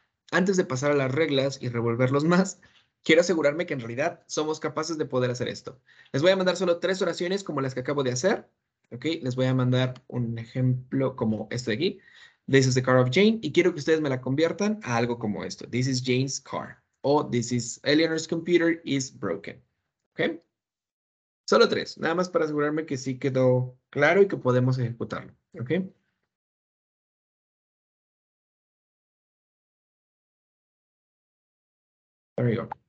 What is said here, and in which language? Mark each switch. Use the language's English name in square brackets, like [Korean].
[Spanish] Antes de pasar a las reglas y revolverlos más, quiero asegurarme que en realidad somos capaces de poder hacer esto. Les voy a mandar solo tres oraciones como las que acabo de hacer. ¿Okay? Les voy a mandar un ejemplo como este de aquí. [English] This is the car of Jane. [Spanish] Y quiero que ustedes me la conviertan a algo como esto. [English] This is Jane's car. O this is Eleanor's computer is broken. [Spanish] ¿Ok? Solo tres. Nada más para asegurarme que sí quedó claro y que podemos ejecutarlo. ¿Ok? [English] There we go.